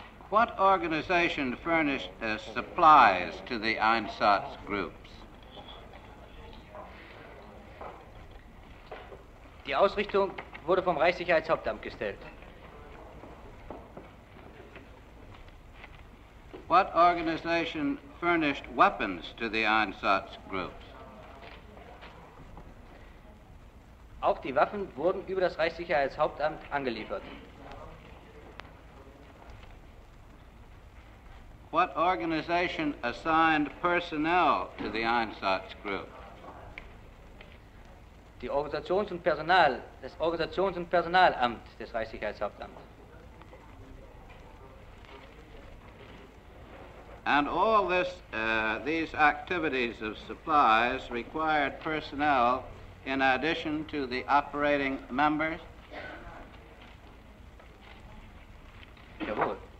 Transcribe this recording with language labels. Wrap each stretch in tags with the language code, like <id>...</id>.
<en>What organization furnished supplies to the Einsatz group?</en> <de>Die Ausrichtung wurde vom Reichssicherheitshauptamt gestellt.</de> <en>What organization furnished weapons to the Einsatz groups?</en> <de>Auch die Waffen wurden über das Reichssicherheitshauptamt angeliefert.</de> <en>What organization assigned personnel to the Einsatz group?</en> <de>Das Organisations- und Personalamt des Reichssicherheitshauptamts.</de> <en>And all this, these activities of supplies required personnel in addition to the operating members?</en> <de>Jawohl.</de>